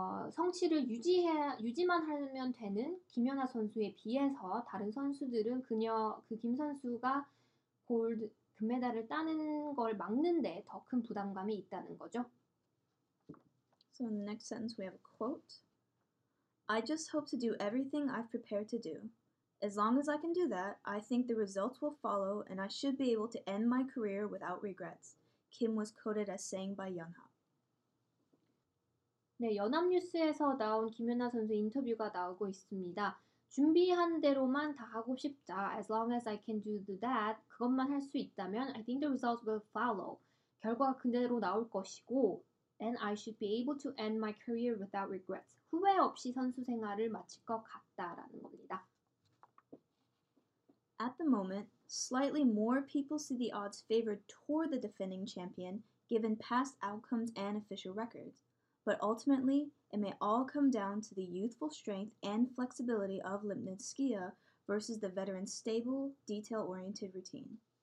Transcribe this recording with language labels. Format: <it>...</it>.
<ko>성취를 유지만 하면 되는 김연아 선수에 비해서 다른 선수들은 김 선수가 금메달을 따는 걸 막는데 더 큰 부담감이 있다는 거죠.</ko> <en>So in the next sentence we have a quote. I just hope to do everything I've prepared to do. As long as I can do that, I think the results will follow and I should be able to end my career without regrets. Kim was quoted as saying by Yonhap.</en> <ko>네, 연합뉴스에서 나온 김연아 선수 인터뷰가 나오고 있습니다. 준비한 대로만 다 하고 싶다.</ko> <en>As long as I can do that,</en> <ko>그것만 할 수 있다면</ko> <en>I think the results will follow.</en> <ko>결과가 그대로 나올 것이고</ko> <en>and I should be able to end my career without regrets.</en> <ko>후회 없이 선수 생활을 마칠 것 같다라는 겁니다.</ko> <en>At the moment, slightly more people see the odds favored toward the defending champion given past outcomes and official records. But ultimately, it may all come down to the youthful strength and flexibility of Lipnitskaya versus the veteran's stable, detail-oriented routine.</en>